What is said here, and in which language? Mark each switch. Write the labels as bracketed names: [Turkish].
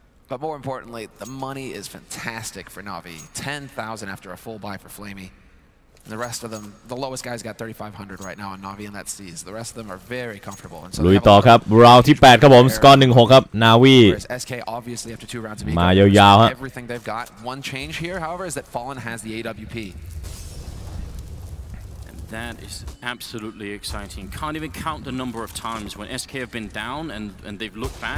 [English] But more importantly, the money is fantastic for Navi. 10,000 after a full buy for Flamey. And the rest of them, the lowest guy's got 3,500 right now on Navi, and that's these. The rest of them are very comfortable. And so [Thai] ลุยต่อครับ Round ที่ 8 ครับผม Score 1-6 ครับ Navi [English] SK obviously after 2 rounds of [Thai] มายาวๆฮะ [English] Everything they've got. One change here, however, is that Fallen has the AWP. That is absolutely exciting. Can't even count the number of times when SK have been down and they've looked back.